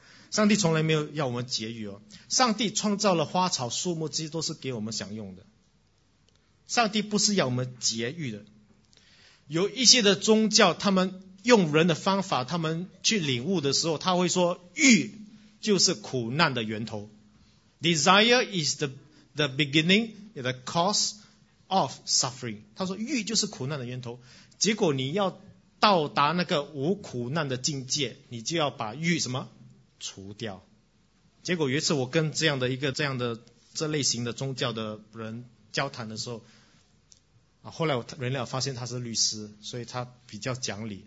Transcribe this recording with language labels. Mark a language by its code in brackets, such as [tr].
[zh] 上帝从来没有要我们节欲哦。上帝创造了花草树木，这些都是给我们享用的。上帝不是要我们节欲的。有一些的宗教，他们用人的方法，他们去领悟的时候，他会说，欲就是苦难的源头。 [en] Desire is the beginning, the cause of suffering. [zh] 他说欲就是苦难的源头。结果你要到达那个无苦难的境界，你就要把欲什么除掉。结果有一次我跟这样的一个这样的这类型的宗教的人交谈的时候，啊，后来我人了发现他是律师，所以他比较讲理。